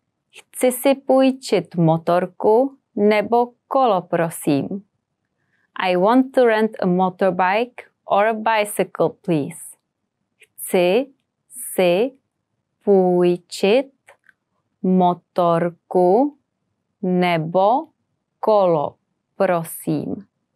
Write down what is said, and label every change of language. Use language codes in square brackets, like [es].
[cs] Chci si půjčit motorku nebo kolo, prosím. [en] I want to rent a motorbike or a bicycle, please. [cs] Chci si půjčit motorku nebo kolo, prosím.